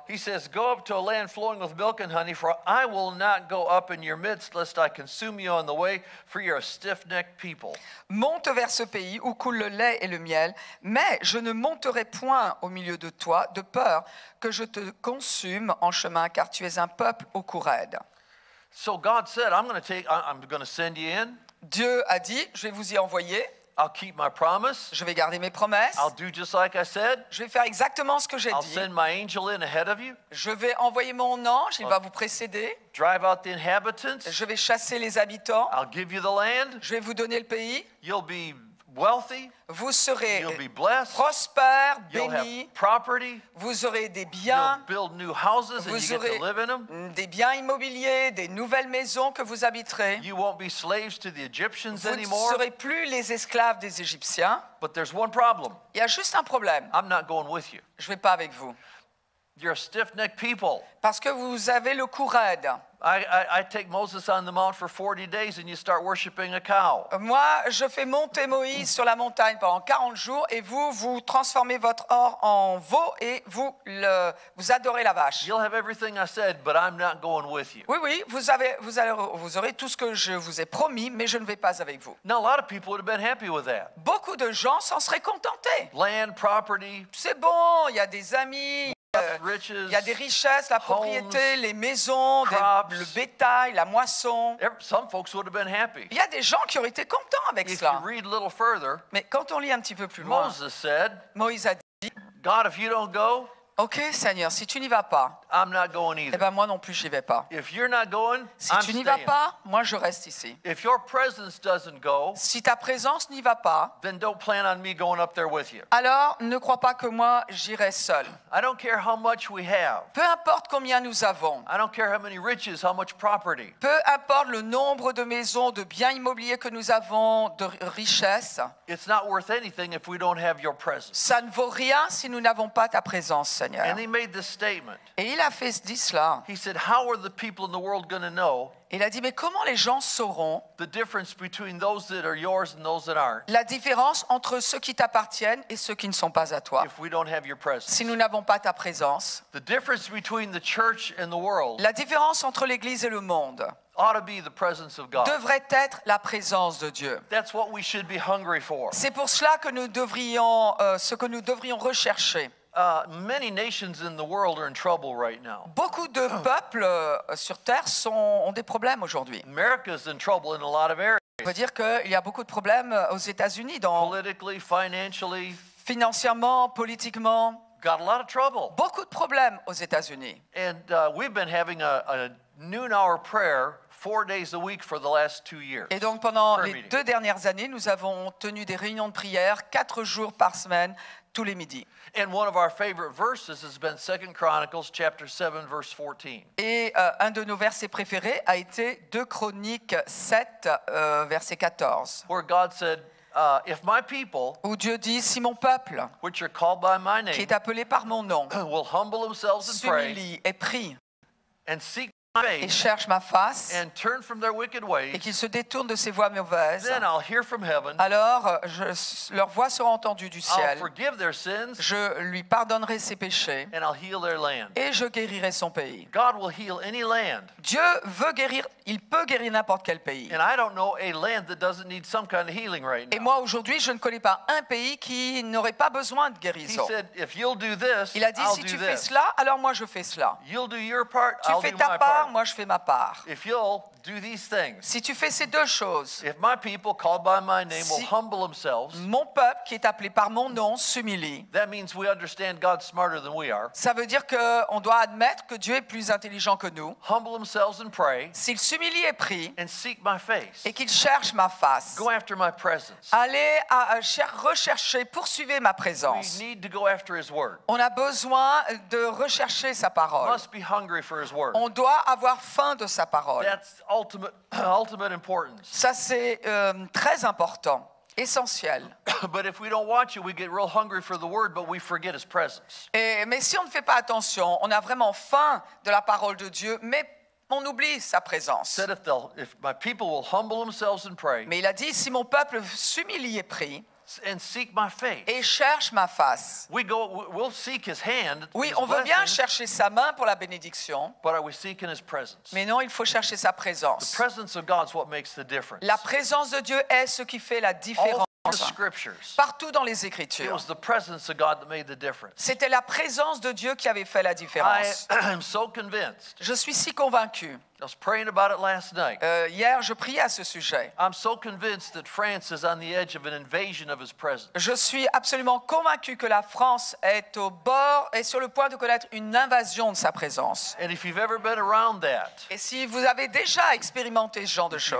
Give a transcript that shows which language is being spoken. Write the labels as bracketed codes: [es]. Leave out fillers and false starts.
[en] He says, go up to a land flowing with milk and honey, for I will not go up in your midst, lest I consume you on the way, for you're a stiff-necked people. [fr] Monte vers ce pays où coule le lait et le miel, mais je ne monterai point au milieu de toi, de peur que je te consume en chemin, car tu es un peuple au cou raide. [en] So God said, I'm going to send you in. [fr] Dieu a dit, je vais vous y envoyer. [en] I'll keep my promise. [fr] Je vais garder mes promesses. [en] I'll do just like I said. [fr] Je vais faire exactement ce que j'ai [en] I'll [fr] dit. [en] I'll send my angel in ahead of you. [fr] Je vais envoyer mon ange, il va vous précéder. [en] Drive out the inhabitants. [fr] Je vais chasser les habitants. [en] I'll give you the land. [fr] Je vais vous donner le pays. [en] You'll be wealthy. [fr] Vous serez [en] You'll be blessed. [fr] Prospère, béni. [en] You'll have property. [fr] Vous aurez des biens. [en] You'll build new houses and [fr] vous [en] you get to live in them. [fr] Des biens immobiliers, des nouvelles maisons que vous habiterez. [en] You won't be slaves to the Egyptians [fr] vous [en] anymore. [fr] Vous ne serez plus les esclaves des Égyptiens. [en] But there's one problem. [fr] Il y a juste un problème. [en] I'm not going with you. [fr] Je ne vais pas avec vous. [en] You're a stiff-necked people. [fr] Parce que vous avez le cou raide. [en] I take Moses on the mount for 40 days and you start worshiping a cow. [fr] Moi, je fais monter Moïse sur la montagne pendant 40 jours et vous, vous transformez votre or en veau et vous, le, vous adorez la vache. [en] You'll have everything I said, but I'm not going with you. [fr] Oui, oui, vous, avez, vous, allez, vous aurez tout ce que je vous ai promis, mais je ne vais pas avec vous. [en] Now, a lot of people would have been happy with that. [fr] Beaucoup de gens s'en seraient contentés. [en] Land, property. [fr] C'est bon, il y a des amis. [en] Riches, [fr] il y a des richesses, la propriété, [en] homes, [fr] les maisons, [en] crops, [fr] des, le bétail, la moisson. [en] Some folks would have been happy. [fr] Il y a des gens qui auraient été contents avec [en] If [fr] cela. [en] You read a little further, [fr] mais quand on lit un petit peu plus [en] Moses [fr] loin, [en] said, [fr] Moïse a dit, [en] God, if you don't go, [fr] OK, Seigneur, si tu n'y vas pas, [en] I'm not going either. [fr] Eh ben moi non plus, je n'y vais pas. [en] If you're not going, [fr] si [en] I'm [fr] tu n'y [en] staying. [fr] Vas pas, moi je reste ici. [en] If your presence doesn't go, [fr] si ta présence n'y va pas, [en] then don't plan on me going up there with you. [fr] Alors ne crois pas que moi j'irai seul. [en] I don't care how much we have. [fr] Peu importe combien nous avons. [en] I don't care how many riches, how much property. [fr] Peu importe le nombre de maisons, de biens immobiliers que nous avons, de richesses. [en] It's not worth anything if we don't have your presence. [fr] Ça ne vaut rien si nous n'avons pas ta présence, Seigneur. [en] And he made this statement. [fr] Et il a fait dit cela. [en] He said, how are the people in the world going to know? [fr] Il a dit, mais comment les gens sauront [en] the difference between those that are yours and those that aren't? [fr] La différence entre ceux qui t'appartiennent et ceux qui ne sont pas à toi. [en] If we don't have your presence. [fr] Si nous n'avons pas ta présence. [en] The difference between the church and the world. [fr] La différence entre l'église et le monde. [en] Ought to be the presence of God. [fr] Devrait être la présence de Dieu. [en] That's what we should be hungry for. [fr] C'est pour cela que nous devrions ce que nous devrions rechercher. [en] Many nations in the world are in trouble right now. [fr] Beaucoup de peuples sur terre sont ont des problèmes aujourd'hui. [en] America's in trouble in a lot of areas. [fr] On peut dire que il y a beaucoup de problèmes aux États-Unis dans [en] politically, financially, [fr] financièrement, politiquement. [en] Got a lot of trouble. [fr] Beaucoup de problèmes aux États-Unis. [en] And we've been having a noon hour prayer 4 days a week for the last 2 years. [fr] Et donc pendant les deux dernières années, nous avons tenu des réunions de prière 4 jours par semaine. Tous les midis. [en] And one of our favorite verses has been 2 Chronicles chapter 7 verse 14. [fr] Et un de nos versets préférés a été 2 Chroniques 7 verset 14. [en] Where God said, if my people, [fr] où Dieu dit, si mon peuple, [en] which are called by my name, [fr] qui est appelé par mon nom, [en] will humble themselves and pray, [fr] s'humilie et prie, [en] and seek my face, [fr] et cherche ma face, [en] and turn from their wicked ways, [fr] et qu'ils se détournent de ses voies mauvaises, [en] then I'll hear from heaven, [fr] alors je, leur voix sera entendue du ciel, [en] I'll forgive their sins, [fr] je lui pardonnerai ses péchés, [en] and I'll heal their land, [fr] et je guérirai son pays. [en] God will heal any land. [fr] Dieu veut guérir, il peut guérir n'importe quel pays. [en] And I don't know a land that doesn't need some kind of healing right now. [fr] Et moi aujourd'hui, je ne connais pas un pays qui n'aurait pas besoin de guérison. [en] He said, if you'll do this, [fr] il a dit, [en] I'll [fr] si [en] do [fr] tu [en] this. [fr] Fais cela, alors moi je fais cela. [en] You'll do your part, [fr] tu [en] I'll [fr] fais [en] do [fr] ta [en] my part. [fr] Part. Moi je fais ma part. [en] If you'll do these things, [fr] si tu fais ces deux choses, [en] if my people called by my name will humble themselves, [fr] mon peuple qui est appelé par mon nom s'humilie, [en] that means we understand God's smarter than we are. [fr] Ça veut dire que on doit admettre que Dieu est plus intelligent que nous. [en] Humble themselves and pray. [fr] S'ils s'humilient et prient, [en] and seek my face. [fr] Et qu'ils cherchent ma face. [en] Go after my presence. [fr] Allez à rechercher, poursuivez ma présence. [en] We need to go after His word. [fr] On a besoin de rechercher sa parole. [en] Must be hungry for His word. [fr] On doit avoir faim de sa parole. [en] That's ultimate importance. [fr] Ça c'est très important, essentiel. [en] But if we don't watch it, we get real hungry for the word, but we forget His presence. [fr] Et mais si on ne fait pas attention, on a vraiment faim de la parole de Dieu, mais on oublie sa présence. [en] Said if my people will humble themselves and pray. [fr] Mais il a dit si mon peuple s'humilie et prie. [en] And seek my face. [fr] Et cherche ma face. [en] We go. We'll seek His hand. [fr] Oui, [en] his [fr] on veut bien chercher sa main pour la bénédiction. [en] But are we seeking His presence? [fr] Mais non, il faut chercher sa présence. [en] The presence of God is what makes the difference. [fr] La présence de Dieu est ce qui fait la différence. [en] All through the Scriptures. [fr] Partout dans les Écritures. [en] It was the presence of God that made the difference. [fr] C'était la présence de Dieu qui avait fait la différence. [en] I am so convinced. [fr] Je suis si convaincu. [en] I was praying about it last night. [fr] Hier, je priais à ce sujet. [en] I'm so convinced that France is on the edge of an invasion of His presence. [fr] Je suis absolument convaincu que la France est au bord et sur le point de connaître une invasion de sa présence. [en] And if you've ever been around that, [fr] et si vous avez déjà expérimenté ce genre de choses,